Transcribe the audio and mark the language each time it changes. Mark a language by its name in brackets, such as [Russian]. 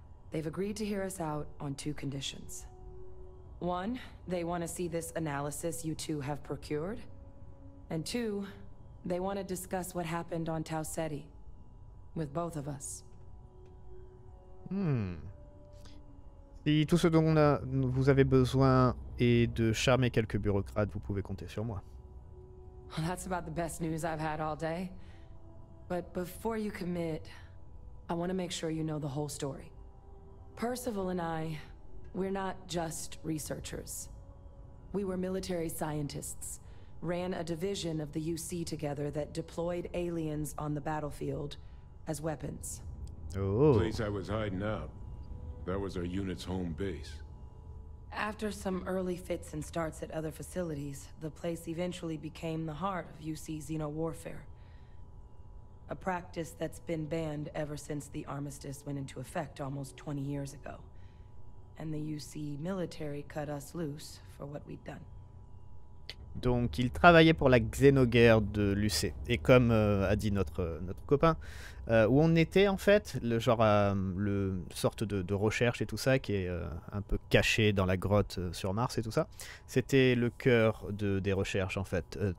[English] They've agreed to hear us out on two conditions. One, they want to see this analysis you two have procured. And two, they want to discuss what happened on Tau Ceti with both of us. [French] Si tout ce dont vous avez besoin est de charmer quelques bureaucrates, vous pouvez compter sur moi. [English] Well, that's about the best news I've had all day. But before you commit, I want to make sure you know the whole story. Percival and I, we're not just researchers. We were military scientists, ran a division of the UC together that deployed aliens on the battlefield as weapons. Oh. The place I was hiding out, that was our unit's home base. After some early fits and starts at other facilities, the place eventually became the heart of UC Xeno warfare. A practice that's been banned ever since the armistice went into effect almost 20 years ago. And the UC military cut us loose for what we'd done. [French] Donc, il travaillait pour la Xénoguerre de Lucé. Et comme a dit notre copain, où on était en fait, le genre, le sorte de recherche et tout ça, qui est un peu caché dans la grotte sur Mars et tout ça, c'était le cœur des recherches en fait.